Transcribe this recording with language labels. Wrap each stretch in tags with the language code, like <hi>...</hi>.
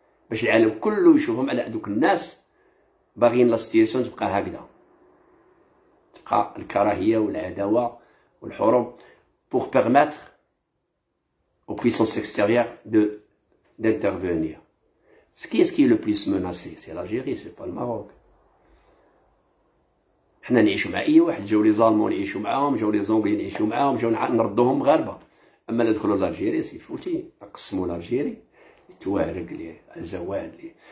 <ar>باش العالم كله يشوفهم على هذوك الناس باغيين لا سيتياسيون تبقى هكذا، تبقى الكراهيه والعداوه والحروب</ar> <fr>pour permettre aux puissances extérieures de d'intervenir. Ce qui est le plus menacé, c'est l'Algérie, c'est pas le Maroc.</fr> <ar>حنا نعيشوا مع اي واحد، جاوا لي زالمون نعيشوا معاهم، جاوا لي زونغلي نعيشوا معاهم، جاوا نردوهم مغاربه. اما اللي دخلوا لالجيري سي فوتي، قسموا لالجيري توارق ليه، الزواد ليه.</ar>